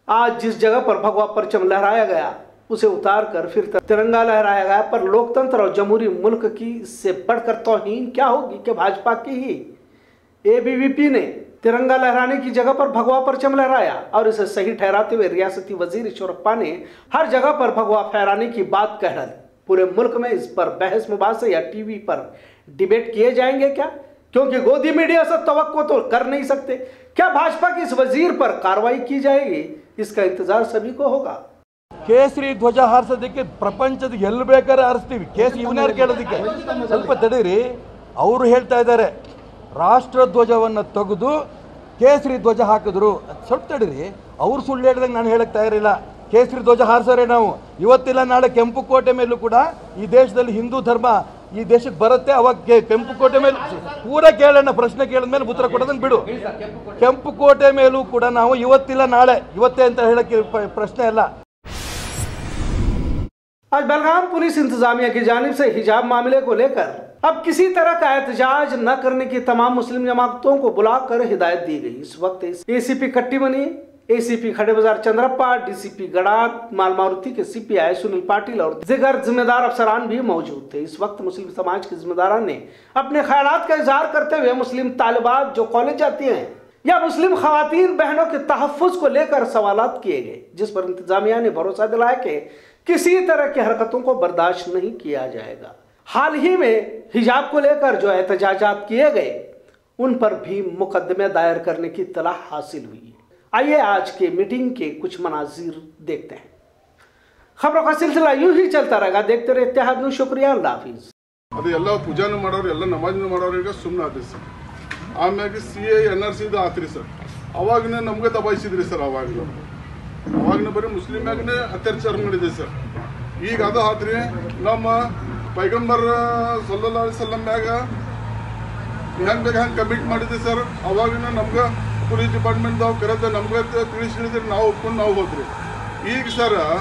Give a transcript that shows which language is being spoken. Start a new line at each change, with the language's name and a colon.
Hindi: आज जिस जगह पर भगवा परचम लहराया गया उसे उतार कर फिर तिरंगा लहराया गया, पर लोकतंत्र और जमहूरी मुल्क की इससे बढ़कर तौहीन क्या होगी कि भाजपा की ही एबीवीपी ने तिरंगा लहराने की जगह पर भगवा परचम लहराया और इसे सही ठहराते हुए रियासती वजीर ईश्वरप्पा ने हर जगह पर भगवा फहराने की बात कह डाली। पूरे मुल्क में इस पर बहस मुबासे या टीवी पर डिबेट किए जाएंगे क्या, क्योंकि गोदी मीडिया से तवक्को तो कर नहीं सकते। क्या भाजपा के इस वजीर पर कार्रवाई की जाएगी, इसका इंतजार सभी को होगा।
Kannada: ಕೇಸರಿ ಧ್ವಜ ಹಾರಿಸೋದಕ್ಕೆ ಪ್ರಪಂಚದ ಎಲ್ಲಿ ಬೇಕಾದ್ರೆ ಹರಿಸ್ತೀವಿ, ಕೇಸ್ ಇವನ್ಯಾರು ಕೇಳೋದಕ್ಕೆ ಸ್ವಲ್ಪ ತಡೀರಿ. ಅವರು ಹೇಳ್ತಾ ಇದ್ದಾರೆ ರಾಷ್ಟ್ರ ಧ್ವಜವನ್ನು ತೆಗೆದು ಕೇಸರಿ ಧ್ವಜ ಹಾಕಿದ್ರು, ಸ್ವಲ್ಪ ತಡೀರಿ. ಅವ್ರು ಸುಳ್ಳು ಹೇಳಿದಂಗೆ ನಾನು ಹೇಳಕ್ ತಯಾರಿಲ್ಲ. ಕೇಸರಿ ಧ್ವಜ ಹಾರಿಸೋರೆ ನಾವು, ಇವತ್ತಿಲ್ಲ ನಾಳೆ ಕೆಂಪು ಕೋಟೆ ಮೇಲೂ ಕೂಡ ಈ ದೇಶದಲ್ಲಿ ಹಿಂದೂ ಧರ್ಮ ಈ ದೇಶಕ್ಕೆ ಬರುತ್ತೆ. ಅವಾಗ ಕೆಂಪು ಕೋಟೆ ಮೇಲೆ ಪೂರ ಕೇಳೋಣ, ಪ್ರಶ್ನೆ ಕೇಳಿದ್ಮೇಲೆ ಉತ್ತರ ಕೊಡೋದನ್ನು ಬಿಡು. ಕೆಂಪು ಕೋಟೆ ಮೇಲೂ ಕೂಡ ನಾವು ಇವತ್ತಿಲ್ಲ ನಾಳೆ, ಇವತ್ತೇ ಅಂತ ಹೇಳಕ್ಕೆ ಪ್ರಶ್ನೆ ಅಲ್ಲ.
Hindi: आज बेलगाम पुलिस इंतजामिया की जानिब से हिजाब मामले को लेकर अब किसी तरह का एहतजाज न करने की तमाम मुस्लिम जमातों को बुलाकर हिदायत दी गई। इस वक्त एसीपी कट्टीमनी, एसीपी खड़े बाजार चंद्रप्पा, डीसीपी गड़ाक, माल मारुति के सीपीआई सुनील पाटिल और जिगर जिम्मेदार अफसरान भी मौजूद थे। इस वक्त मुस्लिम समाज के जिम्मेदार ने अपने ख्याल का इजहार करते हुए मुस्लिम तालिबात जो कॉलेज जाती हैं या मुस्लिम खवातीन बहनों के तहफ्फुज़ को लेकर सवाल किए गए, जिस पर इंतजामिया ने भरोसा दिलाया कि किसी तरह की हरकतों को बर्दाश्त नहीं किया जाएगा। हाल ही में हिजाब को लेकर जो एहतजाजात किए गए उन पर भी मुकदमे दायर करने की इत्तला हासिल हुई है। आइए आज के मीटिंग के कुछ मनाजिर देखते हैं। खबरों का सिलसिला यूं ही चलता रहेगा। देखते रहे इत्तेहाद न्यूज़। शुक्रिया, अल्लाह हाफिज। अरे पूजा नमाज नमाज सुम्मे सर आम सी एन आर सी आती सर आवे नमगे दबाद सर आवे बर मुस्लिम अत्याचार नीचे सर ही अद्री नम पैगंबर सल्लल्लाहु अलैहि वसल्लम हम कमिट मे सर आवे नम्बर पुलिस डिपार्टमेंट करते नम्बर तीस ना उपन्न ना हाद्री सर